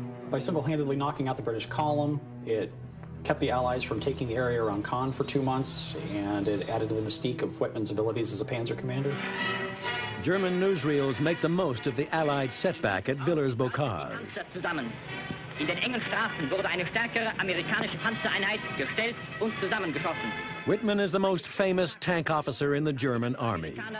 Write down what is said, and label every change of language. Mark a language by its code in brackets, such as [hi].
[en] By single-handedly knocking out the British column, it kept the Allies from taking the area around Caen for 2 months, and it added to the mystique of Wittmann's abilities as a panzer commander. German newsreels make the most of the Allied setback at Villers-Bocage. [de] In den engen Straßen wurde eine stärkere amerikanische Panzereinheit gestellt und zusammengeschossen. [en] Wittmann is the most famous tank officer in the German army.